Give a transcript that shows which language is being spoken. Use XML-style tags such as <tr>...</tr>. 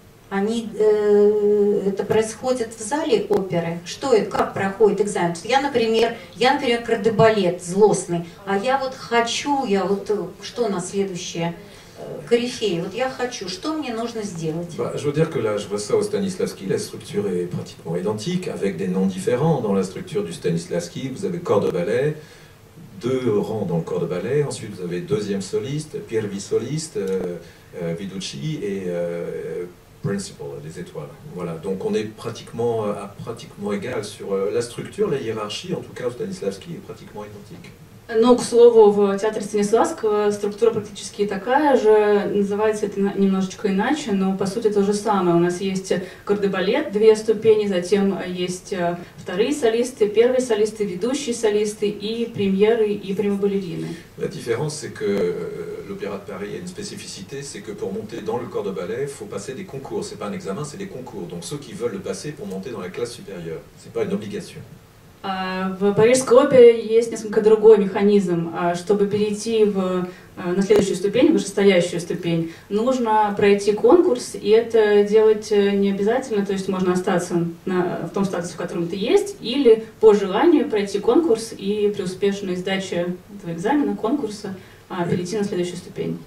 <ru>Они это происходит в зале оперы. Что и как проходит экзамен? Я, например, кардебалет злостный, а я вот хочу, я вот что на следующее корифей, вот я хочу, что мне нужно сделать?</ru> <fr>Bah, je veux dire que là, je vois ça au Stanislavski, la structure est pratiquement identique, avec des noms différents dans la structure du Stanislavski. Vous avez corps de ballet, deux rangs dans le corps de ballet, ensuite vous avez deuxième soliste,</fr> <ru>первый солист, ведущий</ru> <fr>et principal, les étoiles. Voilà, donc on est pratiquement égal sur la structure, la hiérarchie, en tout cas, Stanislavski est pratiquement identique.</fr> <ru>Ну, к слову, в театре Станиславского структура практически такая же, называется это немножечко иначе, но по сути то же самое. У нас есть кордебалет, две ступени, затем есть вторые солисты, первые солисты, ведущие солисты и премьеры и прима-балерины.</ru> <fr>La différence, c'est que l'Opéra de Paris a une spécificité, c'est que pour monter dans le corps de ballet, il faut passer des concours. C'est pas un examen, c'est des concours. Donc ceux qui veulent le passer pour monter dans la classe supérieure. C'est pas une obligation.</fr> <ru>В Парижской опере есть несколько другой механизм. Чтобы перейти на следующую ступень, вышестоящую ступень, нужно пройти конкурс, и это делать не обязательно, то есть можно остаться в том статусе, в котором ты есть, или по желанию пройти конкурс и при успешной сдаче этого экзамена, конкурса, перейти на следующую ступень.</ru>